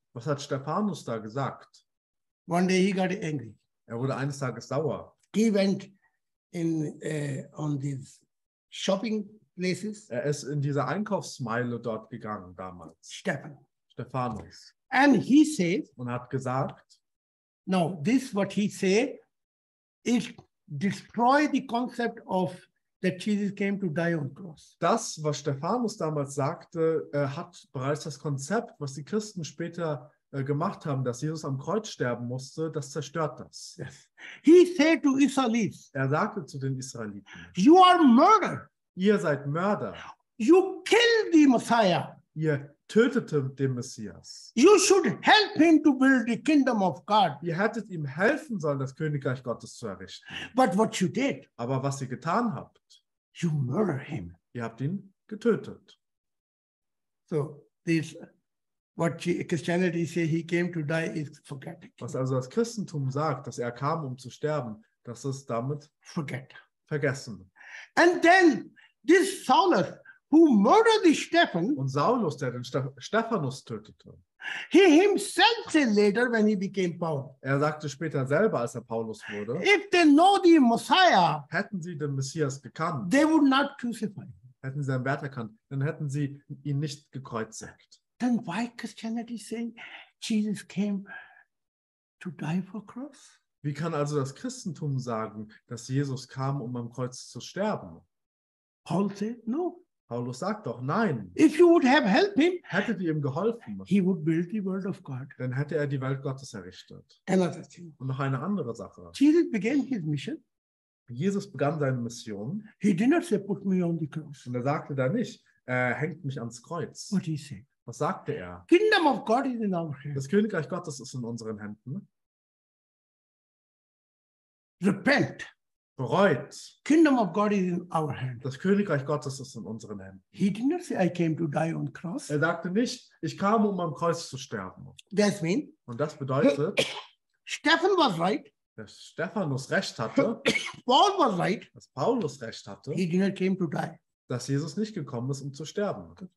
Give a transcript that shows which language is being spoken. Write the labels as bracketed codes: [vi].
[de] Was hat Stephanus da gesagt? [en] One day he got angry. [de] Er wurde eines Tages sauer. [en] He went in on these shopping places. [de] Er ist in diese Einkaufsmeile dort gegangen damals. [en] Stephanus. And he says. [de] Und hat gesagt. [en] No, this what he say is destroy the concept of that Jesus came to die on cross. [de] Das, was Stephanus damals sagte, hat bereits das Konzept, was die Christen später gemacht haben, dass Jesus am Kreuz sterben musste, das zerstört das. [en] Yes. He said to Israelites. [de] Er sagte zu den Israeliten. [en] You are murder. [de] Ihr seid Mörder. [en] You kill the Messiah. [de] Ihr tötete den Messias. [en] You should help him to build the kingdom of God. [de] Ihr hättet ihm helfen sollen, das Königreich Gottes zu errichten. [en] But what you did? [de] Aber was ihr getan habt? [en] You murder him. [de] Ihr habt ihn getötet. [en] So this, what Christianity say he came to die is forgetting. [de] Was also das Christentum sagt, dass er kam, um zu sterben, das ist damit [en] forget. [de] Vergessen. [en] And then this Saulus. Who murdered Stephen? [de] Und Saulus, der den Stephanus tötete. [en] He himself said later when he became Paul. [de] Er sagte später selber, als er Paulus wurde. [en] If they know the Messiah, [de] hätten sie den Messias gekannt, [en] they would not crucify him. [de] Hätten sie seinen Wert erkannt, dann hätten sie ihn nicht gekreuzigt. [en] Then why Christianity saying Jesus came to die for cross? [de] Wie kann also das Christentum sagen, dass Jesus kam, um am Kreuz zu sterben? [en] Paul said no. [de] Paulus sagt doch, nein. [en] If you would have helped him, [de] hättet ihr ihm geholfen, [en] he would build the world of God. [de] Dann hätte er die Welt Gottes errichtet. [en] Another thing. [de] Und noch eine andere Sache. [en] Jesus began his mission. [de] Jesus begann seine Mission. [en] He did not say, put me on the cross. [de] Und er sagte da nicht, er hängt mich ans Kreuz. [en] What did he say? [de] Was sagte er? [en] Kingdom of God is in our hands. [de] Das Königreich Gottes ist in unseren Händen. [en] Repent. [de] Bereut. [en] Kingdom of God is in our hand. [de] Das Königreich Gottes ist in unseren Händen. [en] He did not say, I came to die on cross. [de] Er sagte nicht, ich kam, um am Kreuz zu sterben. [en] That mean, [de] und das bedeutet, [en] Stephen was right, [de] dass Stephanus recht hatte, [en] Paul was right, [de] dass Paulus recht hatte, [en] he did not came to die. [de] dass Jesus nicht gekommen ist, um zu sterben.